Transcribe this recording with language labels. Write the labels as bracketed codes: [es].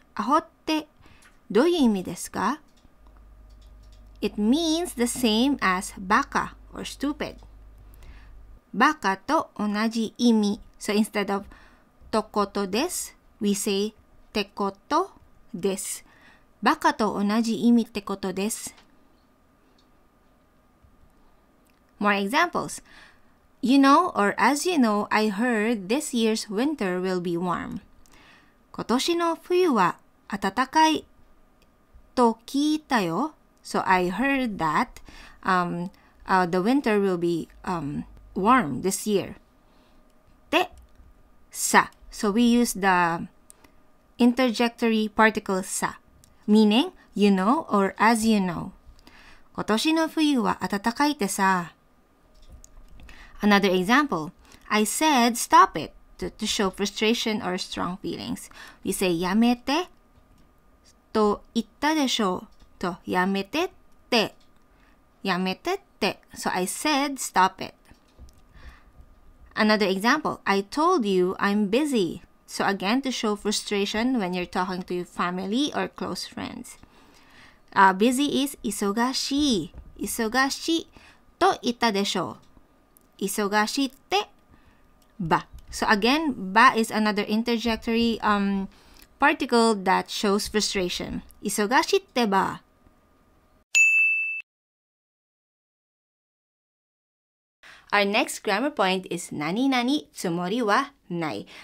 [ja] アホってどういう意味ですか? [en] It means the same as バカ or stupid. [ja] バカと同じ意味。 [en] So instead of とことです、we say てことです。 [ja] バカと同じ意味ってことです。 [en] More examples. You know, or as you know, I heard this year's winter will be warm. [ja] 今年の冬は暖かいと聞いたよ。 [en] So I heard that the winter will be warm this year. [ja] で、さ。 [en] So we use the interjectory particle さ。 Meaning, you know, or as you know. [ja] 今年の冬は暖かいってさ。 [en] Another example. I said stop it to show frustration or strong feelings. We say [ja] やめてと言ったでしょう。とやめてって。やめてって。 [en] So I said stop it. Another example. I told you I'm busy. So again, to show frustration when you're talking to your family or close friends. Busy is 忙しい。 [ja] 忙しいと言ったでしょう。忙しいってば。 [en] So again, ba is another interjectory particle that shows frustration. [ja] 忙しいってば。 [en] Our next grammar point is 何々つもりはない。